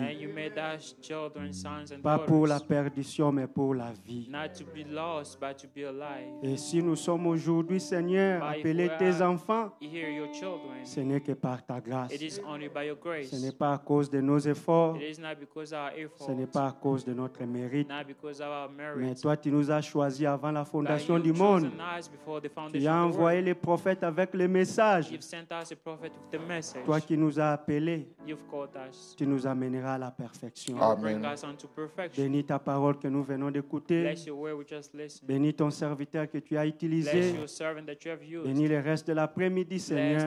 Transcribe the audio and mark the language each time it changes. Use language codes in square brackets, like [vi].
[en] And you made us children, sons and daughters. [fr] Pas pour la perdition mais pour la vie. [en] Not to be lost but to be alive. [fr] Et si nous sommes aujourd'hui, Seigneur, [en] but [fr] appelés tes enfants, [en] hear your children, [fr] ce n'est que par ta grâce. [en] It is only by your grace. [fr] Ce n'est pas à cause de nos efforts. [en] It is not because of our efforts. [fr] Ce n'est pas à cause de notre mérite. [en] Not because of our merit. [fr] Mais toi, tu nous as choisi avant la fondation du monde. Tu as envoyé les prophètes avec le message. [en] You've sent us a prophet with the message. [fr] Toi qui nous as appelés, [en] you've called us. [fr] Tu nous amèneras à la perfection. [en] Amen. Bring us unto perfection. [fr] Bénis ta parole que nous venons d'écouter. [en] Bless your word we just listened. [fr] Bénis ton serviteur que tu as utilisé. [en] Bless your servant that you have used. [fr] Bénis le reste de l'après-midi, Seigneur.